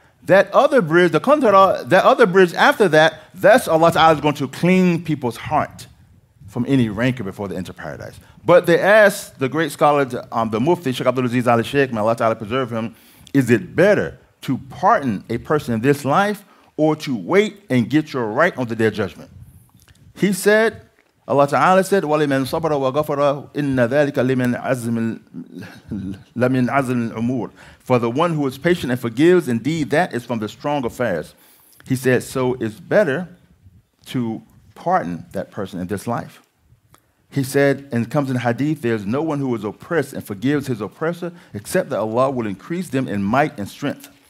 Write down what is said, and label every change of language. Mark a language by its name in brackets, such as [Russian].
[English] That other bridge, the Qantara, that other bridge after that, that's Allah Ta'ala is going to clean people's heart from any rancor before they enter paradise. But they asked the great scholar, the Mufti, Sheikh Abdul Aziz Ali Sheikh, may Allah Ta'ala preserve him, is it better to pardon a person in this life or to wait and get your right on the day of judgment? He said, Allah Ta'ala said, [Arabic] وَلِمَنْ صَبَرَ وَغَفَرَ إِنَّ ذَلِكَ لَمِنْ عَزْمِ الْعُمُورِ. [English] For the one who is patient and forgives, indeed, that is from the strong affairs. He said, so it's better to pardon that person in this life. He said, and it comes in hadith, there's no one who is oppressed and forgives his oppressor except that Allah will increase them in might and strength.